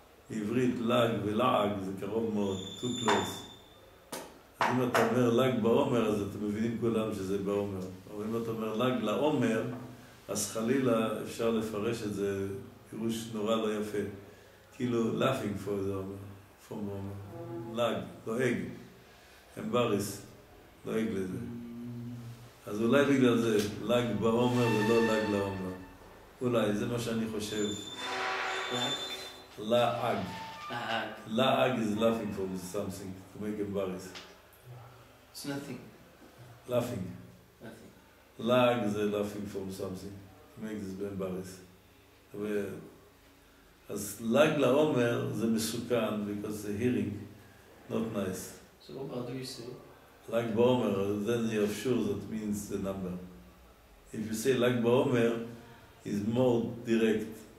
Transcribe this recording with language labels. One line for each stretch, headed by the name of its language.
Hebrew: בעברית ל"ג ולעג זה קרוב מאוד,
English: too close.
Hebrew: אז אם אתה אומר ל"ג בעומר, אז אתם מבינים כולם שזה בעומר. אבל אם אתה אומר לג לעומר, אז חלילה אפשר לפרש את זה פירוש נורא לא יפה. כאילו,
English: laughing for the עומר, for the עומר.
Hebrew: לג, דואג, embarrassed, דואג לזה. אז אולי בגלל זה, לג בעומר ולא לג לעומר. אולי, זה מה שאני חושב. לעג.
English: לעג is laughing for something, to make embarrassed. It's nothing. Laughing.
Hebrew: לג זה
English: laughing from something, make this be embarrassed.
Hebrew: אז לג לעומר זה מסוכן,
English: because the hearing, not nice. So what do you say? לג בעומר, then you are sure that means the number. If you say לג בעומר, it's more direct.